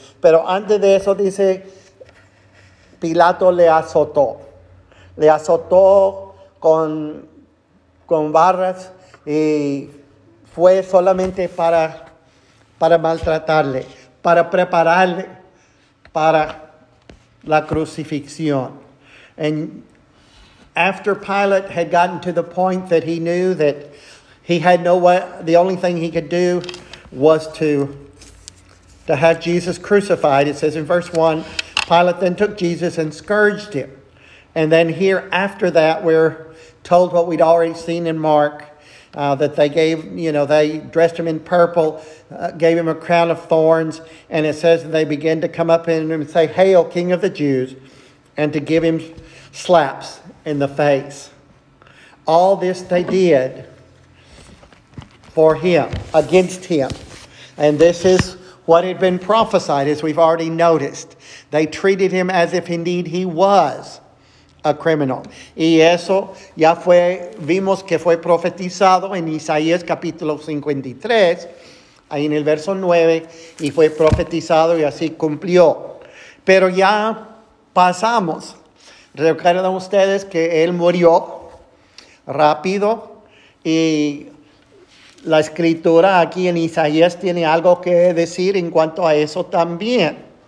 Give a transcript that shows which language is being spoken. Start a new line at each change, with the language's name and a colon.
Spanish: Pero antes de eso dice, Pilato le azotó. Le azotó con barras y fue solamente para maltratarle, para prepararle para la crucifixión.
English: And after Pilate had gotten to the point that he knew that he had no way, the only thing he could do was to have Jesus crucified. It says in verse 1, Pilate then took Jesus and scourged him. And then here after that, we're told what we'd already seen in Mark, that they gave, you know, they dressed him in purple, gave him a crown of thorns. And it says that they began to come up in him and say, "Hail, King of the Jews," and to give him slaps in the face. All this they did for him, against him. And this is what had been prophesied, as we've already noticed. They treated him as if indeed he was a criminal.
Spanish: Y eso ya fue, vimos que fue profetizado en Isaías capítulo 53, ahí en el verso 9, y fue profetizado y así cumplió. Pero ya pasamos. Recuerdan ustedes que él murió rápido y la escritura aquí en Isaías tiene algo que decir en cuanto a eso también.